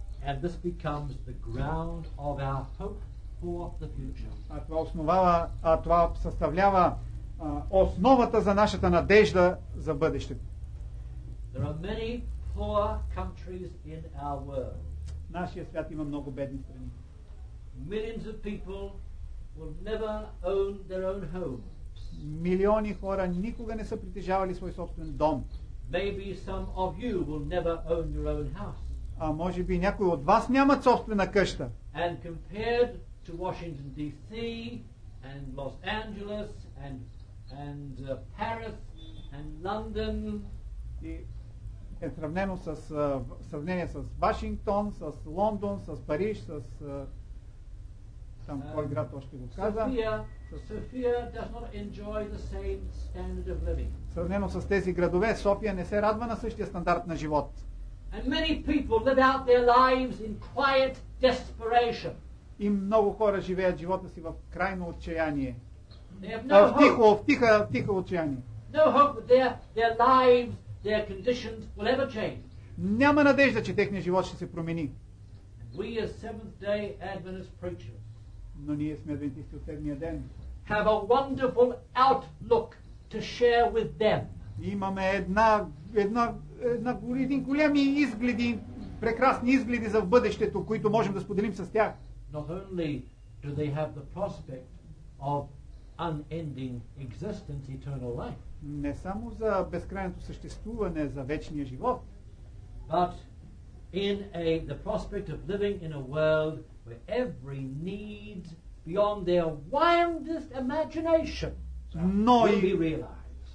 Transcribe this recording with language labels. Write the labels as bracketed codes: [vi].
[en] And this becomes the ground of our hope for the future. [bg] А това основава, а това съставлява основата за нашата надежда за бъдещето. [en] There are many poor countries in our world. [bg] Нашия свят има много бедни страни. [en] Millions of people will never own their own homes. [bg] Милиони хора никога не са притежавали свой собствен дом. [en] Maybe some of you will never own your own house. [bg] А може би някой от вас няма собствена къща. [en] And compared to Washington DC and Los Angeles and Paris and London, [bg] е сравнено с сравнение с Вашингтон, с Лондон, с Париж, с там кой град още го каза. [en] София does not enjoy the same standard of living. [bg] Сравнено с тези градове, София не се радва на същия стандарт на живот. [en] And many people live out their lives in quiet desperation. [bg] И много хора живеят живота си в крайно отчаяние. [en] They have no [bg] в тихо отчаяние. [en] No hope that their lives, their conditions will ever change. [bg] Няма надежда, че техният живот ще се промени. [en] We as Seventh-day Adventist preachers. [bg] Но ние сме адвентисти от седмия ден. [en] Have a wonderful outlook to share with them. [bg] Имаме един голям изглед и прекрасни изгледи за бъдещето, които можем да споделим с тях. [en] Not only do they have the prospect of unending existence, eternal life. [bg] Не само за безкрайното съществуване, за вечния живот. [en] But in the prospect of living in a world where every need beyond their wildest imagination will be realized.